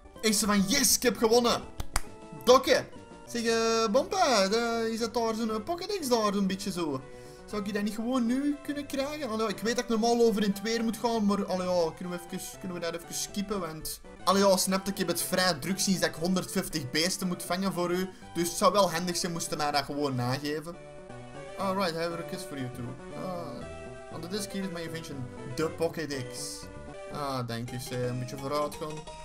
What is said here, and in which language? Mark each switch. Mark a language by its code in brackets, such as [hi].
[nl] Echt zo van, yes, ik heb gewonnen! Dokke! Zeg, Bompa, is dat daar zo'n Pokédex daar zo'n beetje zo? Zou ik die dan niet gewoon nu kunnen krijgen? Allee, ik weet dat ik normaal over in het weer moet gaan, maar allee, kunnen we dat even skippen? Want, allee, snap ik, heb het vrij druk sinds dat ik 150 beesten moet vangen voor u. Dus het zou wel handig zijn moesten mij dat gewoon nageven. [en] Alright, I have a request for you too. On the disc here is my invention, de Pokédex. [nl] Ah, dank je, een beetje vooruit gaan.